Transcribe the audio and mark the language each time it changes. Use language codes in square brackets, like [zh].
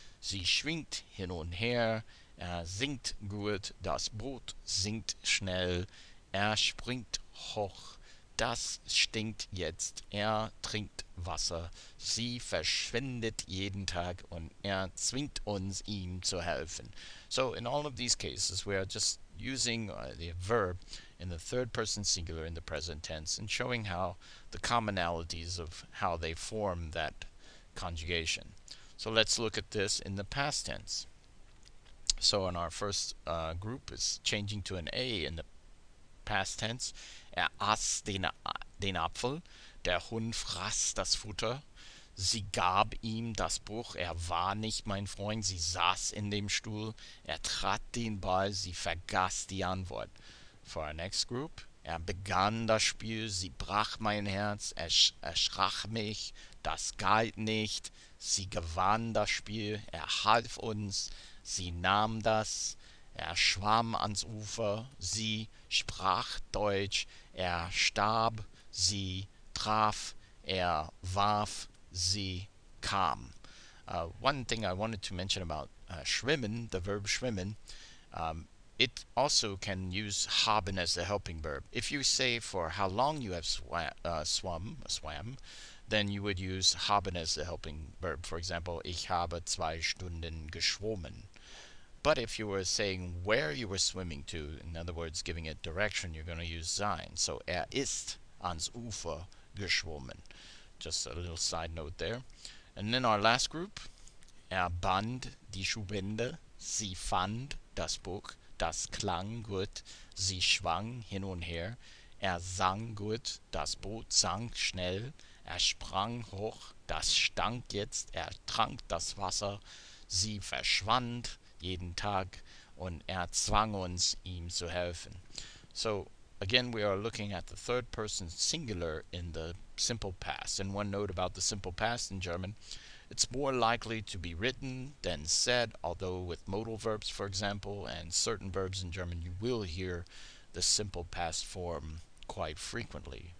[de] Sie schwingt hin und her, singt gut. Das Brot sinkt schnell, springt hoch. Das stinkt jetzt, trinkt Wasser. Sie verschwindet jeden Tag und zwingt uns, ihm zu helfen. [en] So in all of these cases, we are just using the verb in the third person singular in the present tense and showing how the commonalities of how they form that conjugation. So let's look at this in the past tense. So in our first group is changing to an A in the past tense. [de] Aß den Apfel. Der Hund fraß das Futter. Sie gab ihm das Buch. War nicht mein Freund. Sie saß in dem Stuhl. Trat den Ball. Sie vergaß die Antwort. [en] For our next group, [de] begann das Spiel, sie brach mein Herz, erschrach mich, das galt nicht, sie gewann das Spiel, half uns, sie nahm das, schwamm ans Ufer, sie sprach Deutsch, starb, sie traf, warf, sie kam. [en] One thing I wanted to mention about schwimmen, the verb schwimmen, it also can use haben as the helping verb. If you say for how long you have swam, then you would use haben as the helping verb. For example, [de] ich habe 2 Stunden geschwommen. [en] But if you were saying where you were swimming to, in other words, giving it direction, you're going to use sein. [de] So ist ans Ufer geschwommen. [en] Just a little side note there. And then our last group, [de] band die Schuhbänder, sie fand das Buch. Das klang gut, sie schwang hin und her, sang gut, das Boot sank schnell, sprang hoch, das stank jetzt, trank das Wasser, sie verschwand jeden Tag und zwang uns, ihm zu helfen. [en] So, again, we are looking at the third person singular in the simple past. And one note about the simple past in German, it's more likely to be written than said, although with modal verbs, for example, and certain verbs in German, you will hear the simple past form quite frequently.